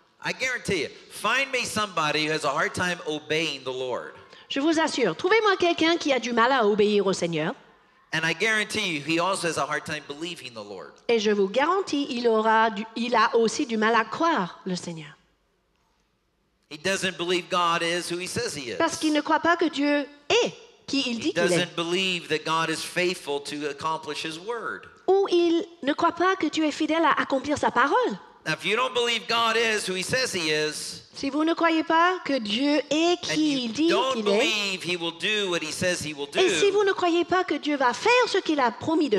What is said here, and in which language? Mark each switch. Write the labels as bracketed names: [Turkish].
[English] I guarantee you, find me somebody who has a hard time obeying the Lord. [French] Je vous assure, trouvez-moi quelqu'un qui a du mal à obéir au Seigneur. [English] And I guarantee you, he also has a hard time believing the Lord. [French] Et je vous garantis, il a aussi du mal à croire le Seigneur. [English] He doesn't believe God is who he says he is. [French] Parce qu'il ne croit pas que Dieu est. Qui il dit [English] he doesn't Believe that God is faithful to accomplish His word. [French] Ou il ne croit pas que Dieu est fidèle à accomplir sa parole. [English] Now, if you don't believe God is who He says He is, [French] si vous ne croyez pas que Dieu est qui il dit qu'il est, [English] and you don't believe He will do what He says He will do, [French] et si vous ne croyez pas que Dieu va faire ce qu'il a promis de